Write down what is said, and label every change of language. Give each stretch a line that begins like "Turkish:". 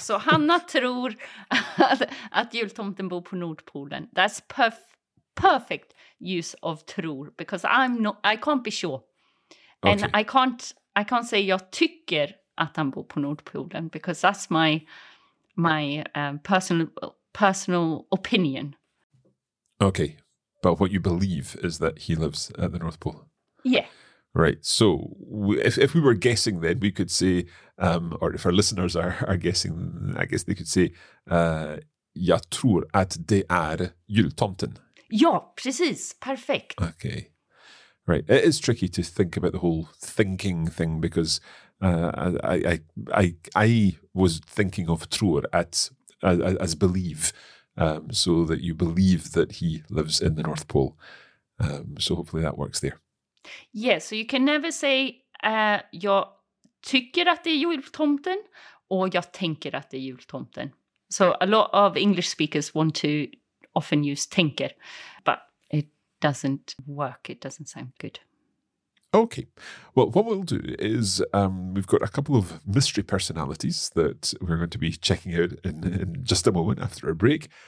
Swedish: So Hanna tror att jultomten bor på Nordpolen.
English: That's perfect use of tror, because I can't be sure. Okay. And I can't say
Swedish: jag tycker att han bor på Nordpolen,
English: because that's my personal opinion. Okay, but what you believe is that he lives at the North Pole. Yeah. Right. So if we were guessing, then we could say, or if our listeners are guessing, I guess they could say,
Swedish: jag tror att det är jultomten. Ja, precis. Perfect.
English: Okay. Right. It is tricky to think about the whole thinking thing, because I was thinking of tror as believe, so that you believe that he lives in the North Pole. So hopefully that works there. Yeah, so you can never say
Swedish: jag tycker att det är jultomten
English: or
Swedish: jag tänker att det är jultomten.
English: So a lot of English speakers want to often use tänker, but it doesn't work. It doesn't sound good. Okay. Well, what we'll do is we've got a couple of mystery personalities that we're going to be checking out in just a moment after a break.